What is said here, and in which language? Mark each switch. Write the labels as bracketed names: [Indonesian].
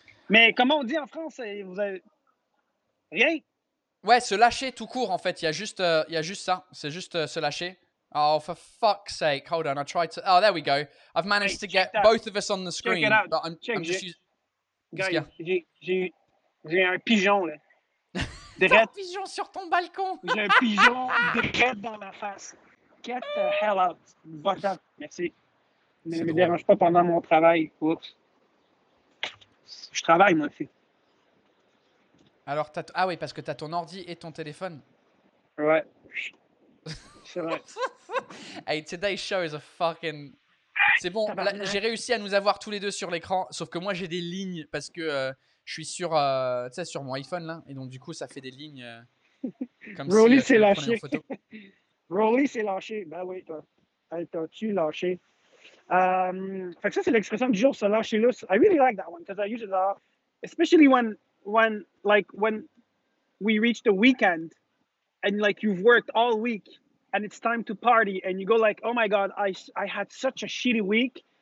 [French] Mais comment on dit en France, vous avez... Rien? Ouais, se lâcher tout court en fait, il y a juste ça, c'est juste se lâcher. [English] Oh, for fuck's sake, hold on, I tried to... Oh, there we go. I've managed to get both of us on the screen. Check it out. [French] J'ai un pigeon, là. T'as un pigeon sur ton balcon. J'ai un pigeon direct dans ma face. [English] Get the hell out. [French] Va-t'en. Merci. Ne me dérange pas pendant mon travail. Oups. Je travaille, moi, fille. Alors, ah oui, parce que t'as ton ordi et ton téléphone. Ouais. C'est vrai. [English] Hey, today's show is a fucking... [French] C'est bon, là, j'ai réussi à nous avoir tous les deux sur l'écran, sauf que moi j'ai des lignes parce que je suis sur, tu sais, sur mon iPhone là, et donc du coup ça fait des lignes comme Rolly si on prenait lâché. En photo. Rolly s'est lâché, ben oui toi, hey, t'as-tu lâché? Fait que ça c'est l'expression du jour, se lâcher loose. [English] I really like that one because I use it a lot, especially when we reach the weekend and like you've worked all week. And it's time to party, and you go like, oh my God, I had such a shitty week.